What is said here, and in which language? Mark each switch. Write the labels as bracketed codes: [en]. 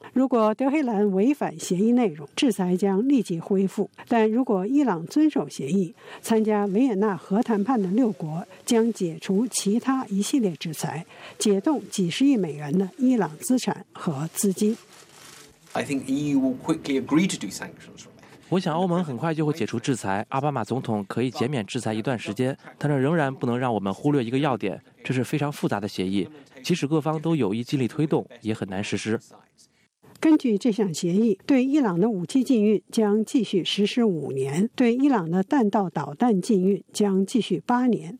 [zh] 如果德黑兰违反协议内容，制裁将立即恢复，但如果伊朗遵守协议，参加维也纳核谈判的六国将解除其他一系列制裁，解冻几十亿美元的伊朗资产和资金。 [en] I think EU will quickly agree to do sanctions。 [zh] 我想欧盟很快就会解除制裁，奥巴马总统可以减免制裁一段时间，但这仍然不能让我们忽略一个要点，这是非常复杂的协议，即使各方都有意尽力推动，也很难实施。根据这项协议，对伊朗的武器禁运将继续实施5年，对伊朗的弹道导弹禁运将继续8年。